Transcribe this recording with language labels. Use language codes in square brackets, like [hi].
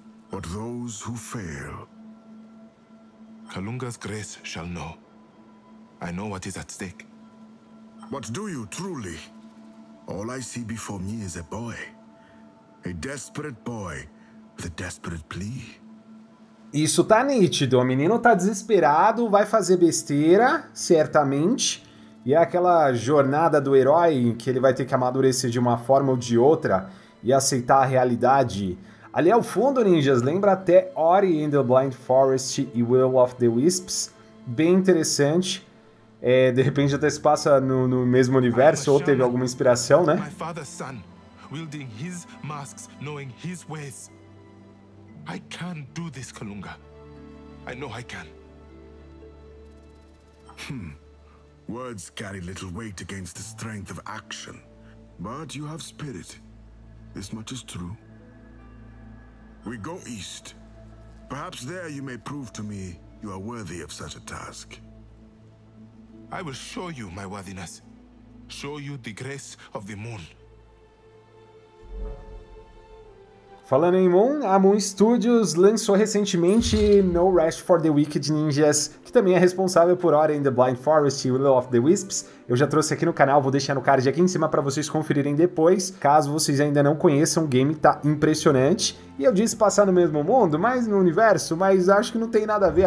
[en] But those who fail... Kalunga's grace shall know. I know what is at stake. What do you, truly? All I see before me is a boy. A desperate boy with a desperate plea. [pt] Isso tá nítido, o menino tá desesperado, vai fazer besteira, certamente. E é aquela jornada do herói em que ele vai ter que amadurecer de uma forma ou de outra e aceitar a realidade. Ali ao fundo, ninjas, lembra até Ori and the Blind Forest e Will of the Wisps. Bem interessante. É, de repente até se passa no mesmo universo ou teve alguma inspiração, né? [en] My father's son, wielding his masks, knowing his ways. I can do this, Kalunga. I know I can. Words carry little weight against the strength of action. But you have spirit. This much is true. We go east. Perhaps there you may prove to me you are worthy of such a task. I will show you my worthiness. show you the grace of the moon. [pt] Falando em Moon, a Moon Studios lançou recentemente No Rest for the Wicked Ninjas, que também é responsável por Ori and the Blind Forest e Willow of the Wisps. Eu já trouxe aqui no canal, vou deixar no card aqui em cima para vocês conferirem depois. Caso vocês ainda não conheçam, o game tá impressionante. E eu disse passar no mesmo mundo, mas no universo, mas acho que não tem nada a ver.